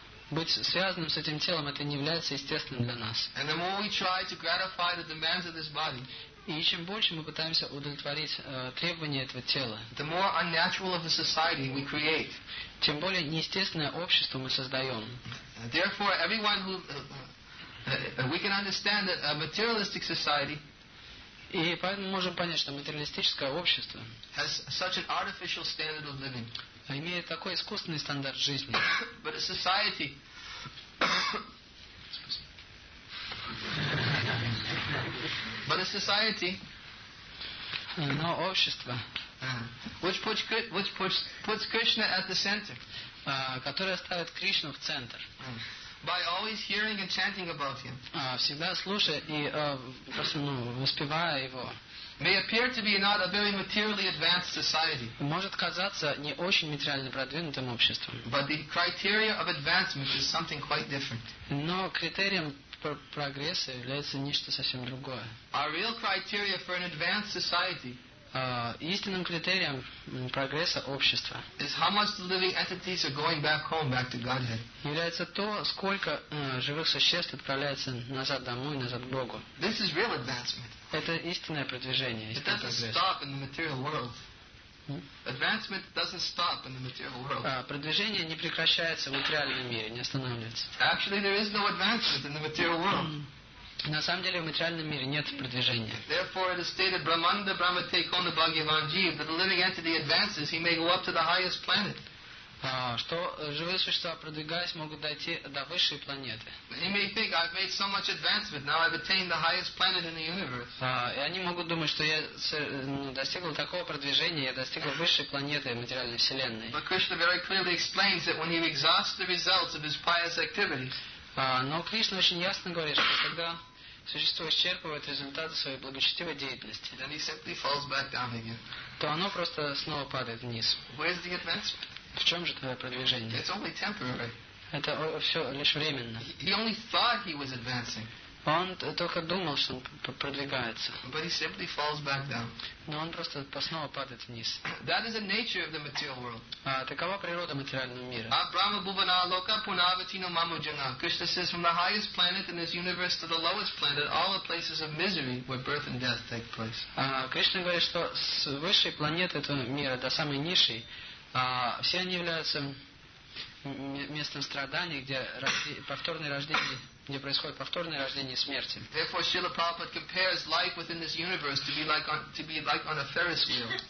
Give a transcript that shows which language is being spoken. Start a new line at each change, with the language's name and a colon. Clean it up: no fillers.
Russian: Быть связанным с этим телом — это не является естественным для нас.
English: And the more we try to gratify the demands of this body,
Russian: и чем больше мы пытаемся удовлетворить требования этого тела,
English: the more unnatural of a society we create,
Russian: тем более неестественное общество мы создаем.
English: Therefore, everyone who we can understand that a materialistic society,
Russian: и поэтому можем понять, что материалистическое общество
English: has such an artificial standard of living,
Russian: имеет такой искусственный стандарт жизни.
English: But a society, but a society,
Russian: но общество,
English: which puts Krishna at the center,
Russian: которое ставит Кришну в центр,
English: by always hearing and chanting about him,
Russian: всегда слушая и воспевая его,
English: may appear to be not a very materially advanced society,
Russian: может казаться не очень материально продвинутым обществом,
English: but the criteria of advancement is something quite different.
Russian: Но критерием прогресса является нечто совсем другое.
English: Our real criteria for an advanced society,
Russian: истинным критерием прогресса общества,
English: is how much the living entities are going back home, back to Godhead.
Russian: Является то, сколько живых существ отправляется назад домой, назад к Богу.
English: This is real advancement.
Russian: Это истинное продвижение.
English: It doesn't stop in the material world. Advancement doesn't stop in the material world.
Russian: Продвижение не прекращается в материальном мире, не останавливается.
English: Actually, there is no advancement in the material world.
Russian: На самом деле в материальном мире нет продвижения.
English: Therefore, it is stated,
Sanskrit: Brahmanda Brahmate Kona Bhagavan Jeev,
English: that the living entity advances, he may go up to the highest planet.
Russian: Что живые существа, продвигаясь, могут дойти до высшей планеты.
English: They may think, I've made so much advancement, now I've attained the highest planet in the universe.
Russian: И они могут думать, что я достигла такого продвижения, я достигла высшей планеты материальной вселенной.
English: But Krishna very clearly explains that when he exhausts the results of his pious activities,
Russian: но Кришна очень ясно говорит, что когда существо исчерпывает результаты своей благочестивой деятельности,
English: then he simply falls back down again,
Russian: то оно просто снова падает вниз.
English: Where is the advancement?
Russian: В чем же твое продвижение?
English: It's only temporary.
Russian: Это все лишь временно.
English: He only thought he was advancing.
Russian: Он только думал, что он продвигается.
English: But he simply falls back down.
Russian: Но он просто снова падает вниз.
English: That is the nature of the material world.
Russian: Такова природа материального мира.
Sanskrit: Abrahma bhuvana loka punavati no mamo jana.
English: Krishna says, from the highest planet in this universe to the lowest planet, all the places of misery where birth and death take place.
Russian: Кришна говорит, что с высшей планеты этого мира до самой низшей, все они являются местом страданий, где повторное рождение, где происходит повторное рождение смерти.
English: Therefore, Srila Prabhupada compares life within this universe to be like on, to be like on a Ferris wheel.